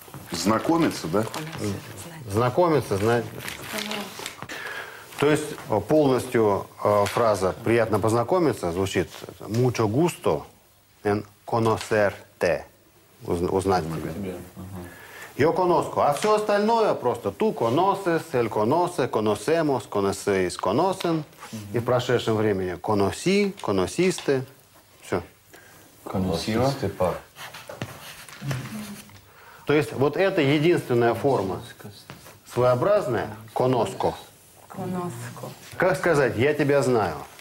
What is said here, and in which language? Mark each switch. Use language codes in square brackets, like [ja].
[ru] Знакомиться, да? Знакомиться, знать. То есть полностью фраза «приятно познакомиться» звучит [es] «mucho gusto en conocerte». [ru] Узнать тебя. [es] Yo conozco. [ru] А все остальное просто [es] «tú conoces», «él conoce», «conocemos», «conocéis», «conocen». Mm-hmm. [ru] И в прошедшем времени [es] «conocí», «conociste». [ru] Все. [es] «Conociste par». [ru] То есть вот это единственная форма своеобразная «conozco». [es] «Conozco». [ru] Как сказать «я тебя знаю»?